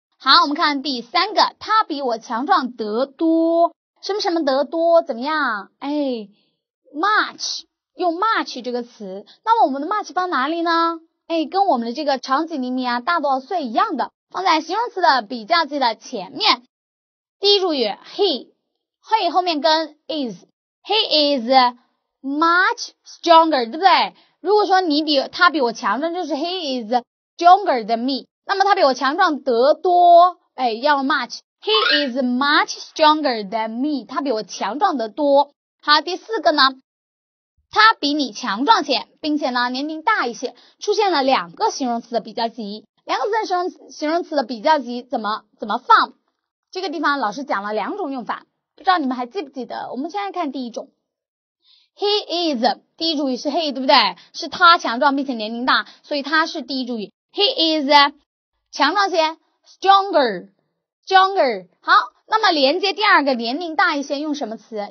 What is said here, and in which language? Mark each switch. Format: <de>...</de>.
<zh>好，我们看第三个，他比我强壮得多，什么什么得多，怎么样？哎 ，much, 用 much 这个词。那么我们的 much 放哪里呢？哎，跟我们的这个长几厘米啊，大多少岁一样的，放在形容词的比较级的前面。第一主语 he。</zh> <en>he</en> <zh>后面跟</zh> <en>is, he is much stronger,</en> <zh>对不对？如果说你比他比我强壮，就是</zh> <en>he is stronger than me,</en> <zh>那么他比我强壮得多，哎，要 much,</zh> <en>he is much stronger than me,</en> <zh>他比我强壮得多。好，第四个呢，他比你强壮些，并且呢年龄大一些，出现了两个形容词的比较级，两个字的形容词的比较级怎么放，这个地方老师讲了两种用法，不知道你们还记不记得，我们现在看第一种。</zh> <en>He is,</en> <zh>第一主语是 he, 对不对？是他强壮并且年龄大，所以他是第一主语。</zh> <en>He is,</en> <zh>强壮些</zh> <en>,stronger。</en> <zh>好，那么连接第二个年龄大一些用什么词？</zh>